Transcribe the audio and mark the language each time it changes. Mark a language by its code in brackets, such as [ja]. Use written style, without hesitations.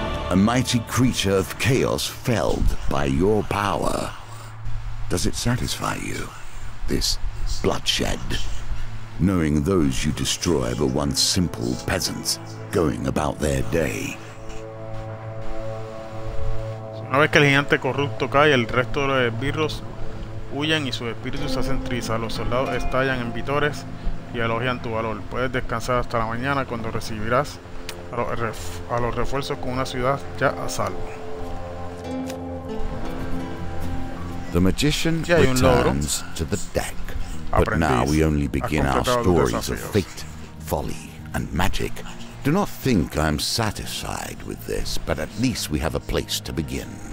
[en] A mighty creature of chaos felled by your power. Does it satisfy you, this bloodshed? Knowing those you destroy were once simple peasants going about their day. [es] Una vez que el gigante corrupto cae, el resto de los esbirros huyen y sus espíritus se hacen trizas. Los soldados estallan en vítores y elogian tu valor. Puedes descansar hasta la mañana cuando recibirás a los refuerzos con una ciudad ya a salvo. [en] The magician returns to the deck, but now we only begin our stories of fate, folly, and magic. Do not think I'm satisfied with this, but at least we have a place to begin.